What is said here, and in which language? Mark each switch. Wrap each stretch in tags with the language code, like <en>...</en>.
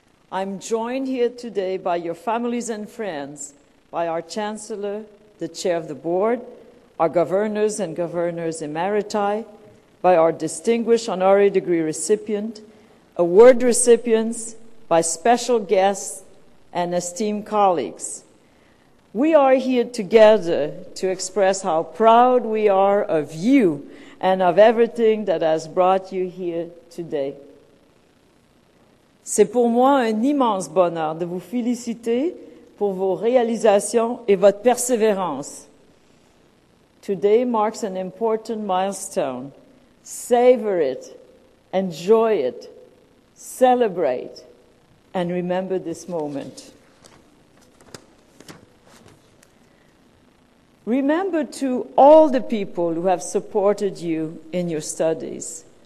<en>I'm joined here today by your families and friends, by our chancellor, the chair of the board, our governors and governors emeriti, by our distinguished honorary degree recipient, award recipients, by special guests and esteemed colleagues. We are here together to express how proud we are of you and of everything that has brought you here today.</en> <fr>C'est pour moi un immense bonheur de vous féliciter pour vos réalisations et votre persévérance.</fr> <en>Today marks an important milestone. Savor it, enjoy it, celebrate, and remember this moment. Remember to all the people who have supported you in your studies.</en>